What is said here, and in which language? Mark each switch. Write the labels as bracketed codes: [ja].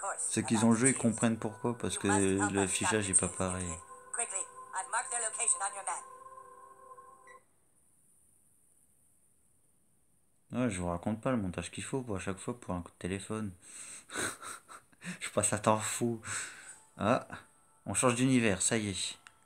[fr] Ceux qui ont joué comprennent pourquoi, parce que le fichage est pas pareil. [en] Quickly, I've marked their location on your map. [fr] Ouais, je vous raconte pas le montage qu'il faut à chaque fois pour un coup de téléphone. Je passe à temps fou. Ah, on change d'univers, ça y est.